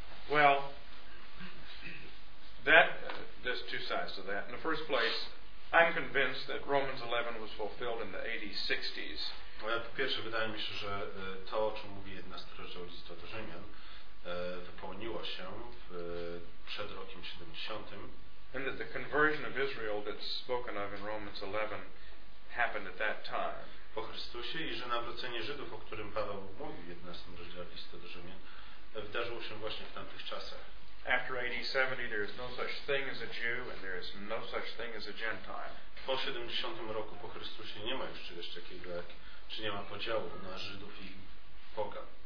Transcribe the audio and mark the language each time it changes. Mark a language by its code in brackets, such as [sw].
[en] Well, that there's two sides to that. In the first place, I'm convinced that Romans 11 was fulfilled in the 1860s. [pl] Well, po pierwsze, wydaje mi się, że to, o czym mówi jedna z teorii listu do Rzymian, wypełniło się przed rokiem 70. [en] And that the conversion of Israel that's spoken of in Romans 11 happened at that time. [pl] Po Chrystusie i że nawrócenie Żydów, o którym Paweł mówił w 11 rozdziale listu do Rzymian, wydarzyło się właśnie w tamtych czasach. [en] After AD 70 there is no such thing as a Jew and there is no such thing as a Gentile. [pl] Po 70 roku po Chrystusie nie ma już czegoś takiego, czy nie ma podziału na Żydów i pogan.